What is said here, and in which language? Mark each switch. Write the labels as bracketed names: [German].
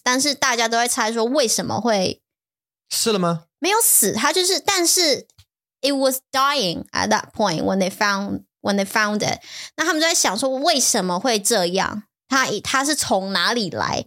[Chinese] 但是大家都在猜说为什么会死了吗? 没有死，它就是，但是 [English] it was dying at that point when they found it. [Chinese] 那他们就在想说为什么会这样？它是从哪里来？